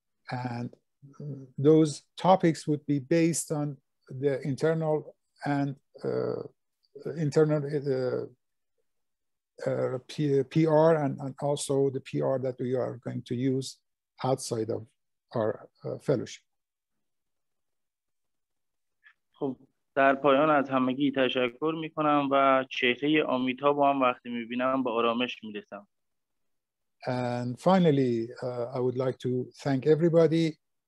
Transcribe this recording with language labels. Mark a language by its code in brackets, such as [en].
[en] And those topics would be based on the internal and PR and also the PR that we are going to use outside of our fellowship. [fa] خب در پایان از همگی تشکر می کنم و چهره آمیتا با هم وقتی می بینم با آرامش می رسم. [en] And finally, I would like to thank everybody.